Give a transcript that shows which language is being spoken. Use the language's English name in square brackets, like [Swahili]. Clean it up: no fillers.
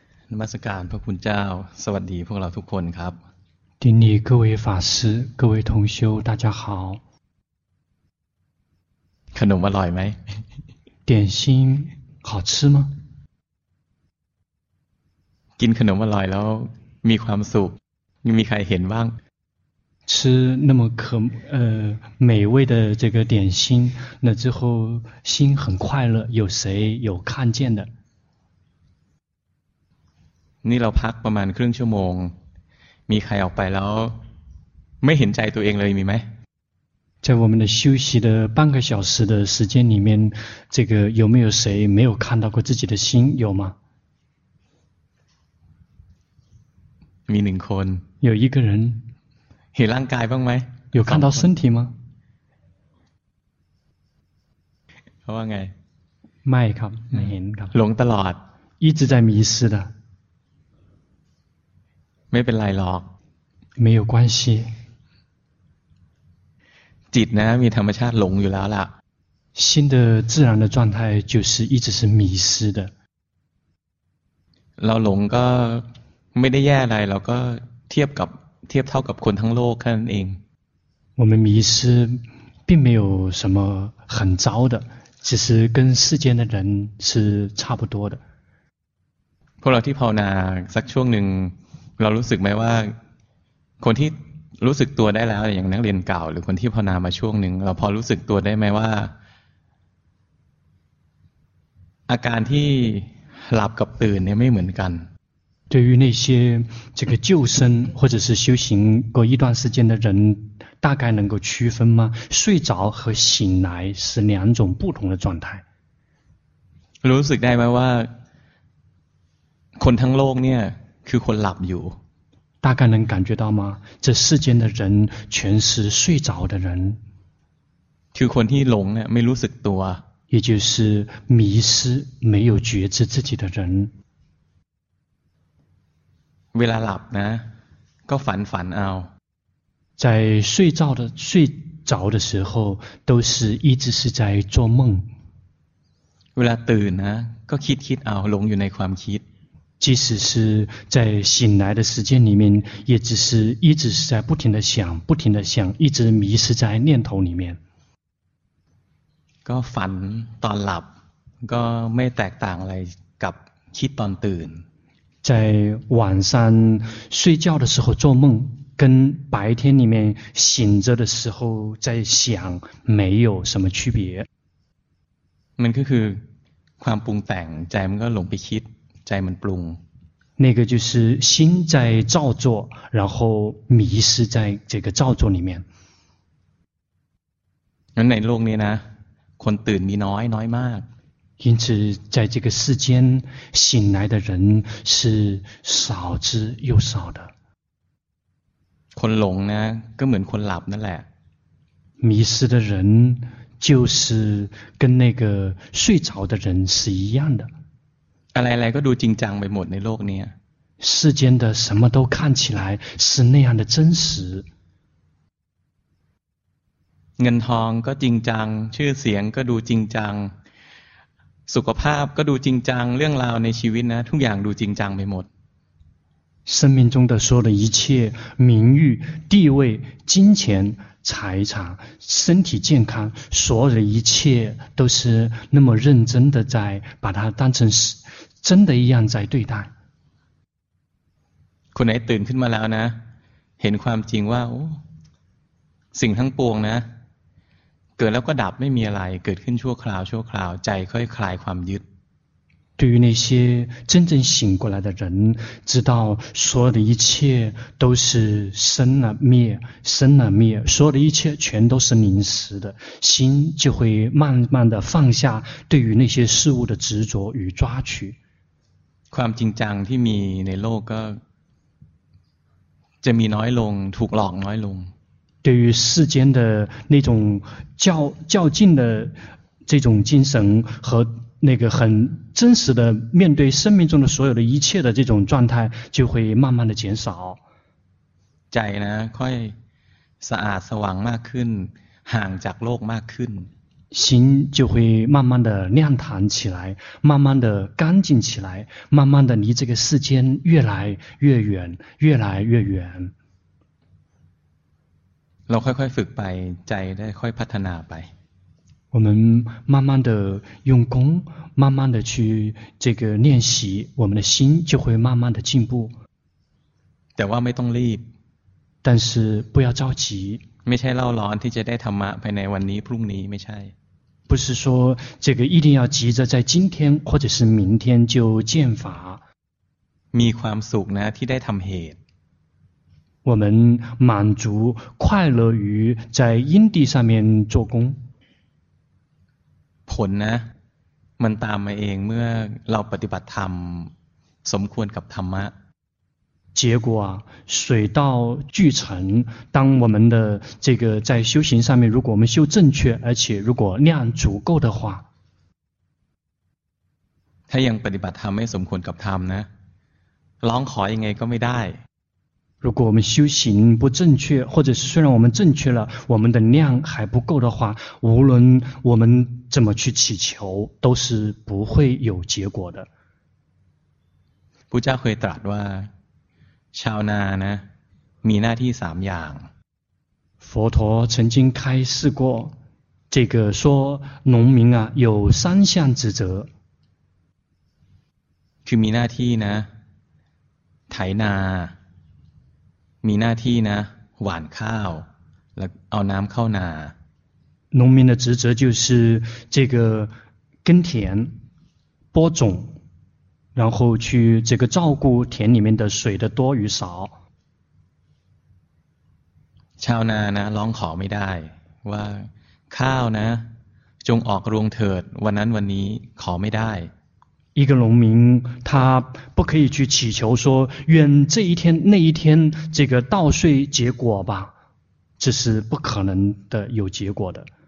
[Thai] นมัสการพระคุณเจ้าสวัสดีพวกเราทุกคนครับ ที่นี่ [Chinese] 各位法师各位同修大家好 [Thai] ขนมอร่อยไหม [Chinese] 点心好吃吗 [Thai] กินขนมอร่อยแล้วมีความสุขมีใครเห็นบ้าง [Chinese] 吃那么可美味的这个点心那之后心很快乐有谁有看见的 [Thai] นี่เราพักประมาณครึ่งชั่วโมงมีใครออกไปแล้วไม่เห็นใจตัวเองเลยมีไหม [Chinese] 在我们的休息的半个小时的时间里面这个有没有谁没有看到过自己的心有吗 [Thai] มีหนึ่งคน [Chinese] 有一个人 [Thai] เห็นร่างกายบ้างไหม [Chinese] 有看到身体吗 [Thai] เขาว่าไง ไม่ครับไม่เห็นครับ หลงตลอด [Chinese] 一直在迷失的 [Thai] ไม่เป็นไรหรอก [Chinese] 没有关系 [Thai] จิตนะมีธรรมชาติหลงอยู่แล้วล่ะ [Chinese] 心的自然的状态就是一直是迷失的 [Thai] เราหลงก็ไม่ได้แย่อะไรเราก็เทียบเท่ากับคนทั้งโลกแค่นั้นเอง [Chinese] 我们迷失并没有什么很糟的只是跟世间的人是差不多的 [Thai] พวกเราที่ภาวนาสักช่วงหนึ่งเรารู้สึกไหมว่าคนที่รู้สึกตัวได้แล้วอย่างนักเรียนเก่าหรือคนที่ภาวนามาช่วงหนึ่งเราพอรู้สึกตัวได้ไหมว่าอาการที่หลับกับตื่นเนี่ยไม่เหมือนกัน [Chinese] 对于那些这个旧生或者是修行过一段时间的人大概能够区分吗睡着和醒来是两种不同的状态 [Thai] รู้สึกได้ไหมว่าคนทั้งโลกเนี่ยคือคนหลับอยู่ [Chinese] 大概能感觉到吗这世间的人全是睡着的人 [Thai] คือคนที่หลงเนี่ยไม่รู้สึกตัว [Chinese] 也就是迷失没有觉知自己的人 [Thai] เวลาหลับนะก็ฝันเอา [Chinese] 在睡着的时候都是一直是在做梦 [Thai] เวลาตื่นนะก็คิดเอาหลงอยู่ในความคิด [Chinese] 即使是在醒来的时间里面也只是一直是在不停地想一直迷失在念头里面 [Thai] ก็ฝันตอนหลับก็ไม่แตกต่างอะไรกับคิดตอนตื่น [Chinese] 在晚上睡觉的时候做梦跟白天里面醒着的时候在想没有什么区别 [Thai] มันก็คือความปรุงแต่งใจมันก็หลงไปคิดใจมันปรุง [Chinese] 那个就是心在造作然后迷失在这个造作里面 [Thai] นั้นในโลกนี้นะคนตื่นมีน้อยมาก [Chinese] 因此在这个世间醒来的人是少之又少的 [Thai] คนหลงนะก็เหมือนคนหลับนั่นแหละ [Chinese] 迷失的人就是跟那个睡着的人是一样的 [Thai] อะไรๆก็ดูจริงจังไปหมดในโลกนี้ [Chinese] 世间的什么都看起来是那样的真实 [Thai] เงินทองก็จริงจังชื่อเสียงก็ดูจริงจังสุขภาพก็ดูจริงจังเรื่องราวในชีวิตนะทุกอย่างดูจริงจังไปหมด [Chinese] 生命中的所有的一切名誉地位金钱财产身体健康所有的一切都是那么认真的在把它当成是真的一样在对待 [Thai] คนไหนตื่นขึ้นมาแล้วนะเห็นความจริงว่าสิ่งทั้งปวงนะเกิดแล้วก็ดับไม่มีอะไรเกิดขึ้นชั่วคราวใจค่อยคลายความยึด [Chinese] 对于那些真正醒过来的人知道所有的一切都是生了灭所有的一切全都是临时的心就会慢慢的放下对于那些事物的执着与抓取 [Thai] ความจริงจังที่มีในโลกก็จะมีน้อยลงถูกหลอกน้อยลง [Chinese] 对于世间的那种较劲的这种精神和那个很真实的面对生命中的所有的一切的这种状态就会慢慢的减少 [Thai] ใจนะค่อยสะอาดสว่างมากขึ้นห่างจากโลกมากขึ้น [Chinese] 心就会慢慢的亮堂起来，慢慢的干净起来，慢慢的离这个世间越来越远，越来越远。 [Thai] เราค่อยๆฝึกไปใจได้ค่อยพัฒนาไป [Chinese] 我们慢慢的用功，慢慢的去这个练习，我们的心就会慢慢的进步。 [Thai] แต่ว่าไม่ต้องรีบ [Chinese] 但是不要着急。 [Thai] ไม่ใช่เล่าร้อนที่จะได้ธรรมะภายในวันนี้พรุ่งนี้ไม่ใช่ [Chinese] 不是说这个一定要急着在今天或者是明天就见法 [Thai] มีความสุขนะที่ได้ทำเหตุ [Chinese] 我们满足快乐于在因地上面做工 [Thai] ผลนะมันตามมาเองเมื่อเราปฏิบัติธรรมสมควรกับธรรมะ [Chinese] 结果啊，水到渠成。当我们的这个在修行上面，如果我们修正确，而且如果量足够的话， [Thai] ถ้ายังปฏิบัติธรรมไม่สมควรกับธรรมนะ，ร้องขอยังไงก็ไม่ได้。 [Chinese] 如果我们修行不正确，或者是虽然我们正确了，我们的量还不够的话，无论我们怎么去祈求，都是不会有结果的。 [Thai] พุทธเจ้าเคยตรัสว่าชาวนานะมีหน้าที่สามอย่าง [Chinese] 佛陀曾经开示过这个说农民啊有三项职责 [Thai] คือมีหน้าที่นะไถนามีหน้าที่นะหว่านข้าวแล้วเอาน้ำเข้านา [Chinese] 农民的职责就是这个耕田播种然后去这个照顾田里面的水的多与少。 [Thai] ชาวนานะร้องขอไม่ได้ว่าข้าวนะจงออกรวงเถิดวันนั้นวันนี้ขอไม่ได้ [Chinese] 一个农民他不可以去祈求说愿这一天那一天这个稻穗结果吧这是不可能的有结果的